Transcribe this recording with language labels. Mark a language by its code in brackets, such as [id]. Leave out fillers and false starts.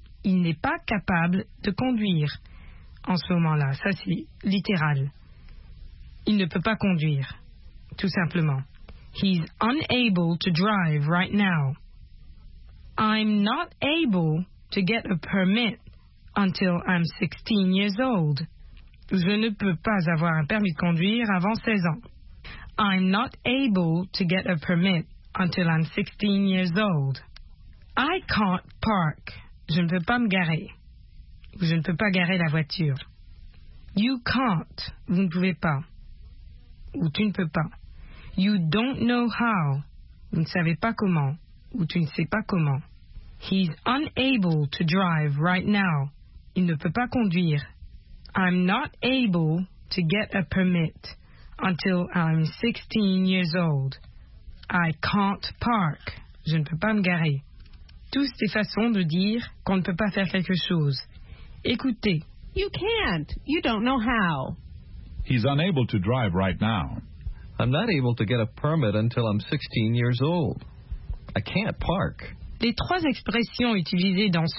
[fr] Il n'est pas capable de conduire en ce moment-là. Ça, c'est littéral. Il ne peut pas conduire, tout simplement. [en] He's unable to drive right now. I'm not able to get a permit until I'm 16 years old. [fr] Je ne peux pas avoir un permis de conduire avant 16 ans. [en] I'm not able to get a permit until I'm 16 years old. I can't park. [fr] Je ne peux pas me garer. Je ne peux pas garer la voiture. [en] You can't. [fr] Vous ne pouvez pas. Ou tu ne peux pas. [en] You don't know how. [fr] Vous ne savez pas comment. Ou tu ne sais pas comment. [en] He's unable to drive right now. [fr] Il ne peut pas conduire. [en] I'm not able to get a permit until I'm 16 years old. I can't park. [fr] Je ne peux pas me garer. Toutes ces façons de dire qu'on ne peut pas faire quelque chose. Écoutez. [en] You can't. You don't know how. He's unable to drive right now. I'm not able to get a permit until I'm 16 years old. I can't park. [fr] Les trois expressions utilisées dans ce